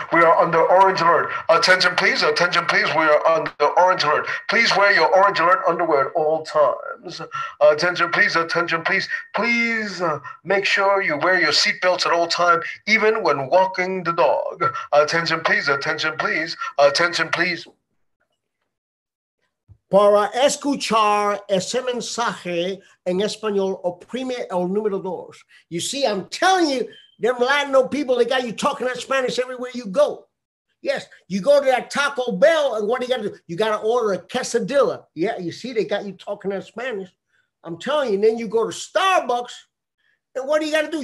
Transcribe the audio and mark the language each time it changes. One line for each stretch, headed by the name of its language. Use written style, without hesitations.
English: We are under orange alert. Attention, please. Attention, please. We are under orange alert. Please wear your orange alert underwear at all times. Attention, please. Attention, please. Please make sure you wear your seatbelts at all times, even when walking the dog. Attention, please. Attention, please. Attention, please.
Spanish: Para escuchar ese mensaje en español, oprime el número dos.
English: You see, I'm telling you, them Latino people, they got you talking that Spanish everywhere you go. Yes, you go to that Taco Bell, and what do you got to do? You got to order a quesadilla. Yeah, you see, they got you talking that Spanish. I'm telling you, and then you go to Starbucks, and what do you got to do?